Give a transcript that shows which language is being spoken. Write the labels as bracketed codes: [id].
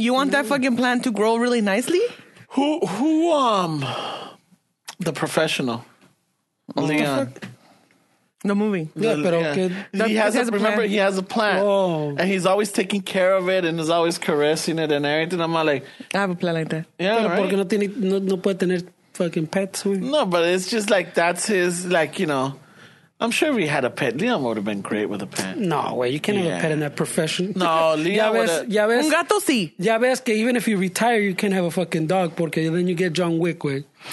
[en] You want that fucking plant to grow really nicely? Who? The Professional. Leon. The fuck? The movie. He has a plant. Whoa. And he's always taking care of it and is always caressing it and everything. I'm like, I have a plant like that. Yeah, [es] pero [en] right. [es] Porque no tiene, no puede tener fucking pets. [en] No, but it's just like, that's his, like, you know. I'm sure if he had a pet, Leon would have been great with a pet. No way. You can't have a pet in that profession. No, Leon would have. [es] Un gato, sí. Ya ves que [en] even if you retire, you can't have a fucking dog porque then you get John Wick, güey.